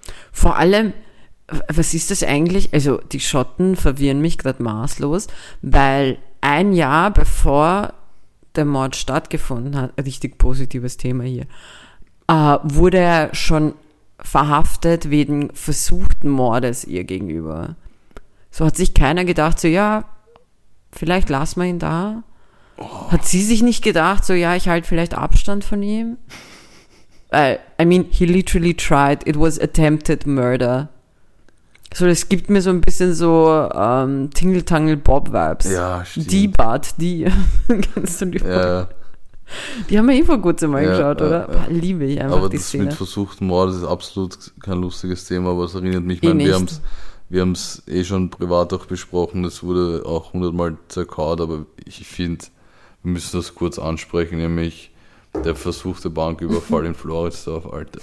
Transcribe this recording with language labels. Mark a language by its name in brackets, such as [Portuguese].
[German] Vor allem, was ist das eigentlich? Also, die Schotten verwirren mich gerade maßlos, weil ein Jahr bevor der Mord stattgefunden hat, richtig positives Thema hier, wurde er schon verhaftet wegen versuchten Mordes ihr gegenüber. So hat sich keiner gedacht, so ja, vielleicht lassen wir ihn da. Oh. Hat sie sich nicht gedacht, so ja, ich halte vielleicht Abstand von ihm. [English] I mean, he literally tried, it was attempted murder. [German] So, das gibt mir so ein bisschen so Tingle-Tangle-Bob-Vibes. Ja, stimmt. Die Bart, die. Kennst du die Frage? Ja. Die haben wir eh vor kurzem mal geschaut, oder? Boah, liebe ich einfach aber die Szene. Aber das mit versuchtem Mord, das ist absolut kein lustiges Thema, aber es erinnert mich, ich meine, wir haben es eh schon privat auch besprochen, das wurde auch 100-mal zerkaut, aber ich finde, wir müssen das kurz ansprechen, nämlich der versuchte Banküberfall in Floridsdorf, Alter.